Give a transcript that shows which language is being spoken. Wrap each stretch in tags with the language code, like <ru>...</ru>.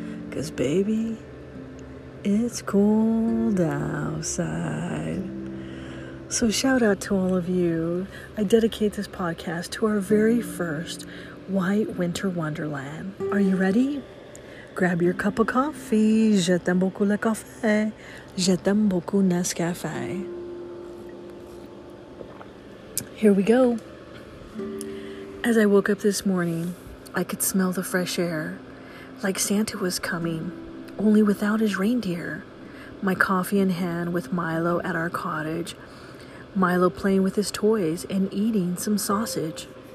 <en>'Cause baby, it's cold outside. So shout out to all of you. I dedicate this podcast to our very first white winter wonderland. Are you ready? Grab your cup of coffee.</en> <fr>Je t'aime beaucoup le café. Je t'aime beaucoup Nescafé.</fr> <en>Here we go. As I woke up this morning, I could smell the fresh air, like Santa was coming, only without his reindeer. My coffee in hand with Milo at our cottage. Milo playing with his toys and eating some sausage.</en>